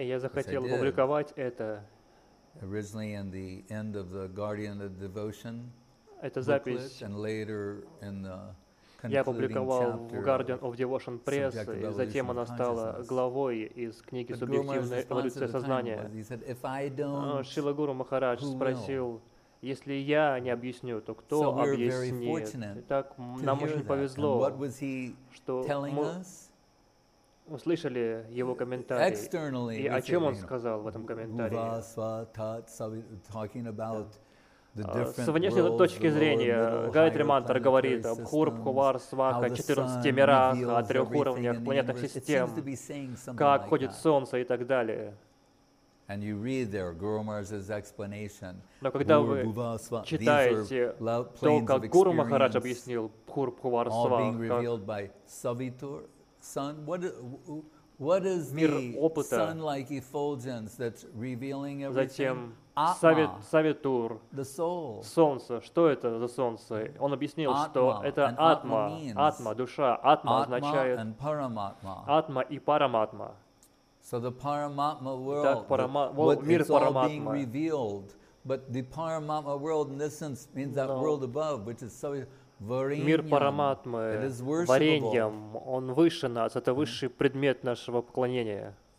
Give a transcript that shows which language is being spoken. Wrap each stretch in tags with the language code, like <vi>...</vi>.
<ru>Я захотел опубликовать это.</ru> <en>Originally in the end of the Guardian of Devotion.</en> <ru>Это запись.</ru> <en>And later in the concluding chapter.</en> <ru>Я опубликовал в Guardian of Devotion Press, и затем она стала главой из книги «Субъективная эволюция сознания». Шрила Гуру Махарадж спросил: если я не объясню, то кто объяснит? Так нам очень повезло, что мы услышали его комментарий. И о чем он сказал в этом комментарии? С внешней точки зрения, Гаятри Мантра говорит об Хурпху, Вар, Сваха, 14 мирах, о трех уровнях планетных систем, как ходит Солнце и так далее.</ru> <en>And you read there Guru Maharaj's explanation.</en> <ru>Но когда вы читаете то, как Гуру Махарадж объяснил Хурпху, Вар, Сваха,</ru> <en>Sun, what is the sun-like effulgence that's revealing everything?</en> <ru>Затем Савитур,</ru> <en>the soul.</en> <ru>Солнце. Что это за солнце? Он объяснил,</ru> <en>atma,</en> <ru>что это атма, атма, душа. Атма означает атма и параматма.</ru> <en>So the paramatma world,</en> <ru>так, мир параматма.</ru> <en>But the paramatma world in this sense means that world above, which is so.</en> <ru>Мир параматмы, вареньем, он выше нас, это высший предмет нашего поклонения.</ru>